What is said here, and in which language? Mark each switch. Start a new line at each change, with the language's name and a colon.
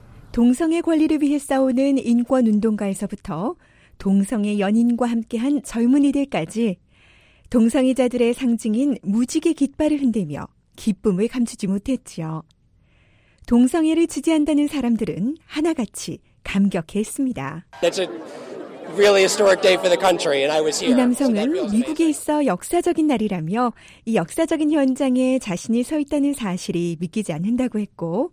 Korean: 동성의 권리를 위해 싸우는 인권운동가에서부터 동성의 연인과 함께한 젊은이들까지 동성애자들의 상징인 무지개 깃발을 흔들며 기쁨을 감추지 못했지요. 동성애를 지지한다는 사람들은 하나같이 감격했습니다.
English: That's a really historic day for the country, and I was here.
Korean: 이 남성은 미국에 있어 역사적인 날이라며 이 역사적인 현장에 자신이 서 있다는 사실이 믿기지 않는다고 했고